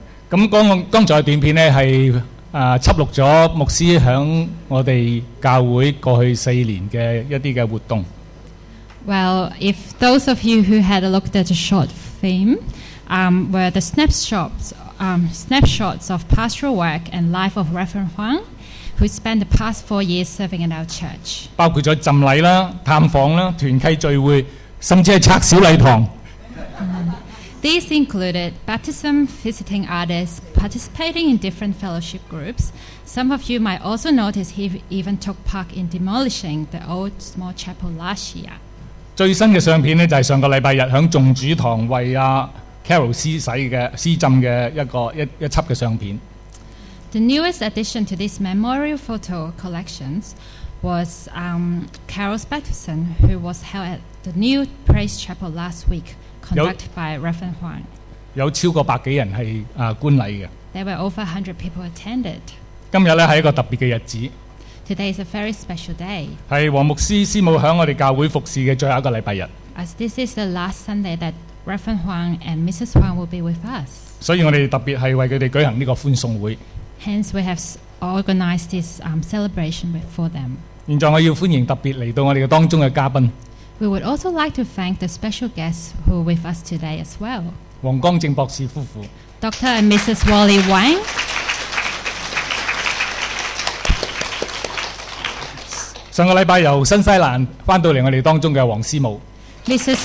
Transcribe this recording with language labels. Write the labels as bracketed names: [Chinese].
[Cantonese] 咁剛才嘅短片咧係輯錄咗牧師喺我哋教會過去四年嘅一啲嘅活動。 [English] Well, if those of you who had a look at the short film, were the snapshots of pastoral work and life of Reverend Huang, who spent the past 4 years serving in our church. [Cantonese] 包括咗浸禮啦、探訪啦、團契聚會，甚至係拆小禮堂。 [English] These included baptism, visiting others, participating in different fellowship groups. Some of you might also notice he even took part in demolishing the old small chapel last year. [Cantonese] 最新嘅相片咧，就係上個禮拜日響眾主堂為Carol 施浸嘅一輯嘅相片。 [English] The newest addition to this memorial photo collections was Carol's baptism, who was held at the new Praise Chapel last week. Conducted by Reverend Huang. [Cantonese] 有超過百幾人係觀禮嘅。 [English] There were over 100 people attended. [Cantonese] 今日咧係一個特別嘅日子。 [English] Today is a very special day. [Cantonese] 係黃牧師師母喺我哋教會服侍嘅最後一個禮拜日。 [English] As this is the last Sunday that Reverend Huang and Mrs. Huang will be with us. [Cantonese] 所以我哋特別係為佢哋舉行呢個歡送會。 [English] Hence, we have organized this celebration for them. [Cantonese] 現在我要歡迎特別嚟到我哋嘅當中嘅嘉賓。 [English] We would also like to thank the special guests who are with us today as well. [Cantonese] 王光正博士夫妇 [English] Dr. and Mrs. Wally Wang. Mrs.